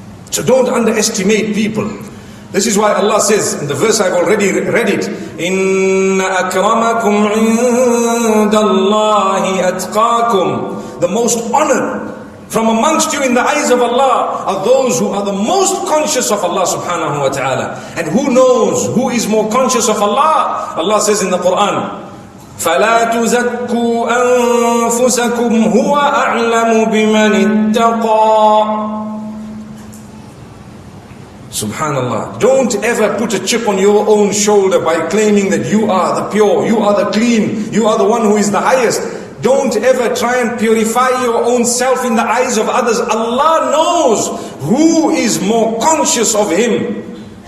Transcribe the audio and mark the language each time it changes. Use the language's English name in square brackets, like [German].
[English] So don't underestimate people. This is why Allah says, in the verse I've already read it, [Arabic] إِنَّ أَكْرَمَكُمْ عِنْدَ اللَّهِ أَتْقَاكُمْ. [English] The most honored from amongst you in the eyes of Allah are those who are the most conscious of Allah subhanahu wa ta'ala. And who knows who is more conscious of Allah? Allah says in the Quran, [Arabic] فَلَا تُزَكُّوا أَنفُسَكُمْ هُوَ أَعْلَمُ بِمَنِ اتَّقَى. Subhanallah. [English] Don't ever put a chip on your own shoulder by claiming that you are the pure, you are the clean, you are the one who is the highest. Don't ever try and purify your own self in the eyes of others. Allah knows who is more conscious of Him.